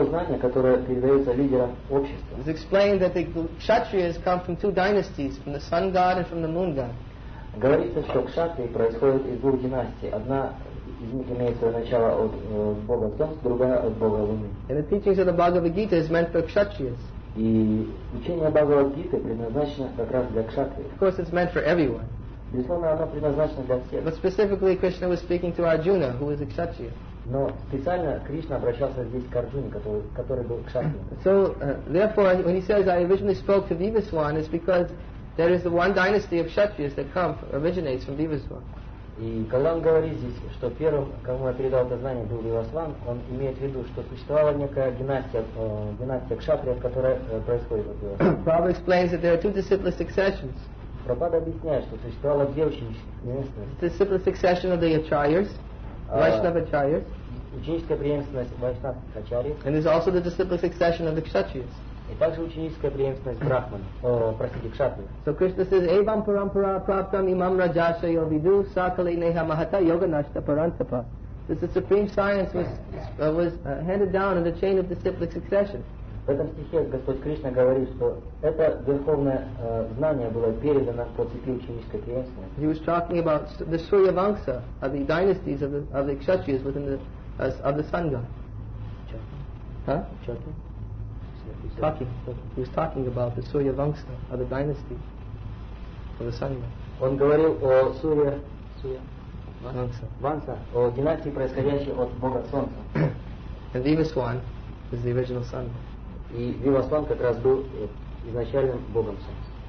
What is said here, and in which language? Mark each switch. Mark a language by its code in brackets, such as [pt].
[en] It is explained that the Kshatriyas come from two dynasties, from the sun god and from the moon god. [ru] Говорится, что кшатрии происходят из двух династий. Одна из них имеет свое начало от Бога Солнца, другая от Бога Луны. [en] And the teachings of the Bhagavad Gita is meant for kshatriyas. [ru] И учение Бхагавад Гиты предназначено как раз для кшатрии. [en] Of course, it's meant for everyone. [ru] Безусловно, оно предназначено для всех. [en] But specifically, Krishna was speaking to Arjuna, who is a kshatriya. [ru] Но специально Кришна обращался здесь к Арджуне, который был кшатрием. [en] So, therefore, when he says, I originally spoke to Vivaswan, it's because there is the one dynasty of Kshatriyas that come, originates from Vivaswan. [ru] И когда он говорит здесь, что первым, кому я передал это знание, был Вивасван, он имеет в виду, что существовала некая династия кшатриев, которая происходит от Вивасвана. [en] Prabhupada explains that there are two disciplic successions. [ru] Прабхупада объясняет, что существовало две очень известные. [en] The disciplic succession of the Acharyas, Vaishnava Acharyas. [ru] Ученическая преемственность Вайшнава Ачарьев. [en] And there's also the disciplic succession of the Kshatriyas. [ru] И также ученическая преемственность брахмана, простите, кшатри. [en] So Krishna says, [sa] evam parampara praptam imam rajasya yo vidu sakale neha mahata yoga nashta parantapa. [en] This is supreme science was handed down in the chain of disciplic succession. [ru] В этом стихе Господь Кришна говорит, что это верховное знание было передано по цепи ученической преемственности. [en] He was talking about the Surya Vamsa, of the dynasties of the kshatriyas within the of the sangha. He was talking about the Surya Vamsa of the dynasty of the Sangha. [ru] Он говорил о Surya Vamsa, о династии, происходящей от Бога Солнца. [en] And Vivaswan is the original sun. [ru] И Vivaswan как раз был изначальным Богом Солнца.